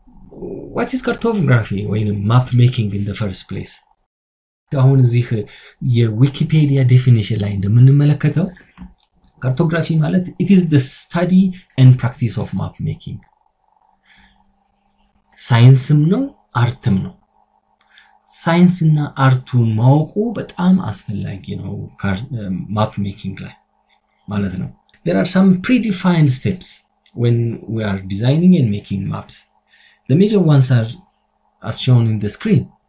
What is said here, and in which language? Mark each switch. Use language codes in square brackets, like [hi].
[en] What is cartography when map making in the first place? [am] አሁን እዚህ የዊኪፔዲያ ዴፊኒሽን ላይ እንደምንመለከተው cartography ማለት [en] it is the study and practice of map making. [am] ሳይንስም ነው አርትም ነው. ሳይንስ እና አርቱን ማወቁ በጣም አስፈላጊ ነው map making ላይ ማለት ነው. [en] There are some predefined steps when we are designing and making maps. The major ones are as shown in the screen.